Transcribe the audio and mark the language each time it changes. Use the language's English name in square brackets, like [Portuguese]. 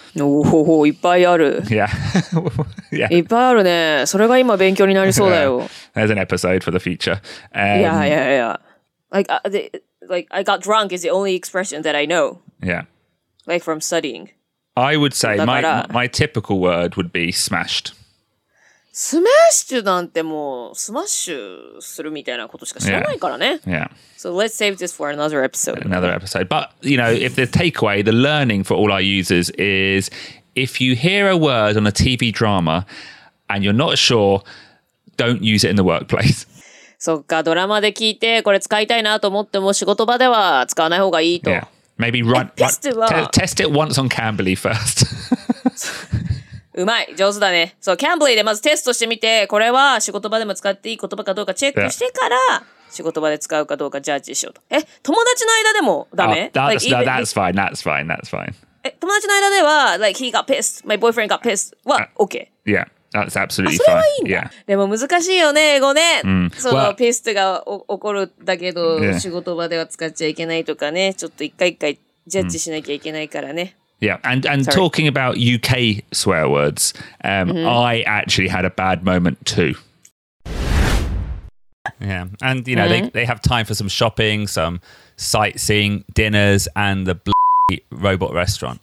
[Japanese] おおおおいっぱいある。 [English] Yeah. [Japanese] Yeah. いっぱいあるね。それが今勉強になりそうだよ。 [English] Yeah. There's an episode for the future. Yeah, yeah, yeah. Like, I got drunk is the only expression that I know. Yeah. Like from studying. I would say my typical word would be smashed. [Japanese] Smashed なんてもうスマッシュするみたいなことしか知らないからね。 [English] Yeah. Yeah. So let's save this for another episode. Another episode. But, you know, if the takeaway, the learning for all our users is... If you hear a word on a TV drama and you're not sure, don't use it in the workplace. [Japanese] そっか、ドラマで聞いてこれ使いたいなと思っても仕事場では使わない方がいいと。 [English] Yeah. Maybe test it once on Cambly first. [Japanese] うまい、上手だね。そう、Cambly でまずテストしてみて、これは仕事場でも使っていい言葉かどうかチェックしてから、仕事場で使うかどうかジャッジしようと。え、友達の間でもダメ? [English] That's fine. [Japanese] 友達の間では、 [English] like, he got pissed. My boyfriend got pissed. は、OK. Yeah, that's absolutely [Japanese] あ、それはいいんだ。でも難しいよね、英語ね。その、pissedが起こるだけど、仕事場では使っちゃいけないとかね。ちょっと一回一回ジャッジしなきゃいけないからね。 [English] Yeah, and talking about UK swear words, I actually had a bad moment too. Yeah, and you know, they have time for some shopping, some sightseeing, dinners, and the bloody robot restaurant.